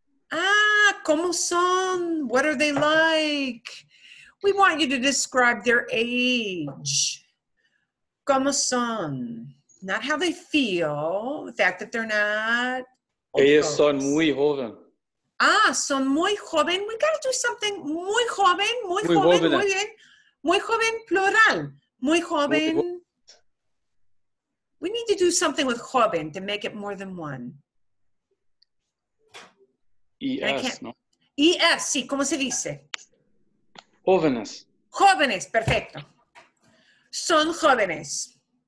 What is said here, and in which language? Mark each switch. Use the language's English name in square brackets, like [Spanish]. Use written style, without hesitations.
[Spanish] Ah, ¿cómo son? [English] What are they like? We want you to describe their age. [Spanish] ¿Cómo son? [English] Not how they feel, the fact that they're not. [Spanish] Ellos son muy joven. Ah, son muy joven. [English] We got to do something. [Spanish] Muy joven, muy, muy joven, joven, muy bien. Muy joven, plural. Muy joven. Muy joven. [English] We need to do something with joven to make it more than one. [Spanish] ES, ¿no? ES, sí, ¿cómo se dice? Jóvenes. Jóvenes, perfecto. Son jóvenes.